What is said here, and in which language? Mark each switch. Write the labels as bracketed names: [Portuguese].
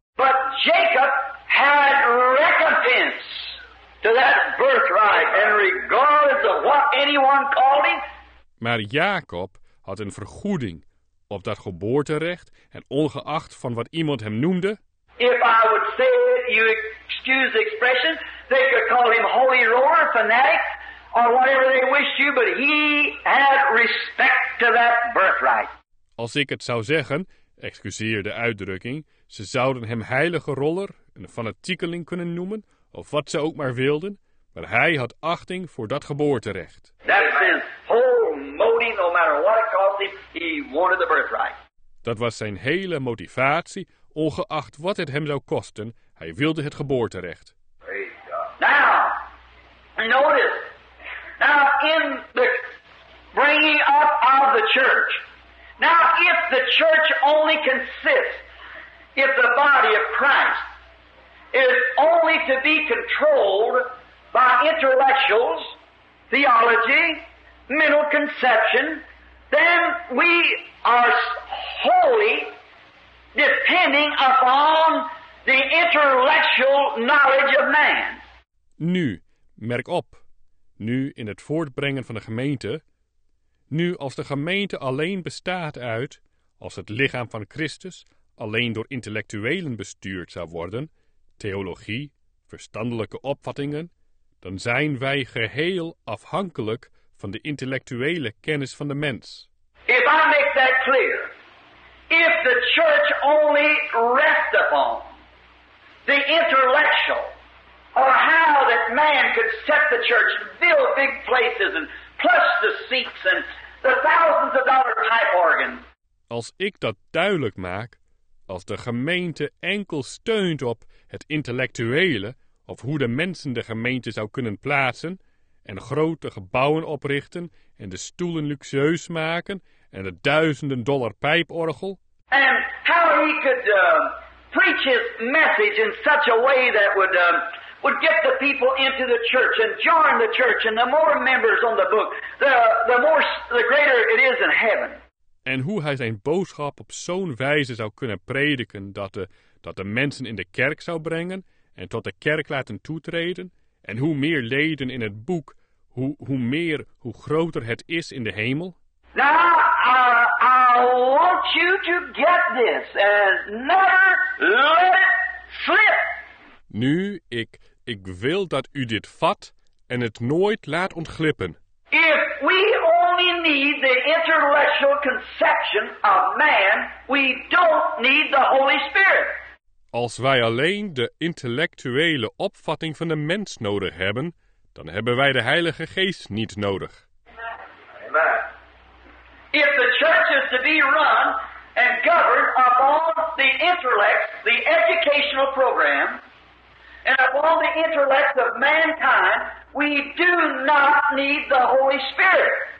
[English] But Jacob had recompense to that birthright and regardless of what anyone called him. [Dutch] Maar Jacob had een vergoeding op dat geboorterecht en ongeacht van wat iemand hem noemde. [English] If I would say it, you excuse the expression, they could call him holy roller, fanatic, or whatever they wished you, but he had respect to that birthright. [Dutch] Als ik het zou zeggen, excuseer de uitdrukking, ze zouden hem heilige roller, een fanatiekeling kunnen noemen, of wat ze ook maar wilden, maar hij had achting voor dat geboorterecht. [English] That is his whole motive, no matter what it cost him, he wanted the birthright. [Dutch] Dat was zijn hele motivatie, ongeacht wat het hem zou kosten, hij wilde het geboorterecht. [English] Now, notice, now in the bringing up of the church, now if the church only consists, if the body of Christ is only to be controlled by intellectuals, theology, mental conception, then we are wholly depending upon the intellectual knowledge of man. [Dutch] Nu, merk op, nu in het voortbrengen van de gemeente, nu als de gemeente alleen bestaat uit, als het lichaam van Christus alleen door intellectuelen bestuurd zou worden, theologie, verstandelijke opvattingen, dan zijn wij geheel afhankelijk van de intellectuele kennis van de mens. [English] If I make that clear, if the church only rests upon the intellectual, or how that man could set the church and build big places and plus the seats and the thousands of dollar type organ. [Dutch] Als ik dat duidelijk maak, als de gemeente enkel steunt op het intellectuele, of hoe de mensen de gemeente zou kunnen plaatsen, en grote gebouwen oprichten, en de stoelen luxueus maken, en de duizenden dollar pijporgel. [English] And how he could preach his message in such a way that would get the people into the church and join the church, and the more members on the book, the greater it is in heaven. [Dutch] En hoe hij zijn boodschap op zo'n wijze zou kunnen prediken dat de mensen in de kerk zou brengen en tot de kerk laten toetreden. En hoe meer leden in het boek, hoe groter het is in de hemel. [English] Now, I want you to get this and never let it slip. [Dutch] Nu, ik wil dat u dit vat en het nooit laat ontglippen. [English] If we only need the intellectual conception of man, we don't need the Holy Spirit. [Dutch] Als wij alleen de intellectuele opvatting van de mens nodig hebben, dan hebben wij de Heilige Geest niet nodig. [English] If the church is to be run and governed upon the intellect, the educational program, and of all the intellects of mankind, we do not need the Holy Spirit.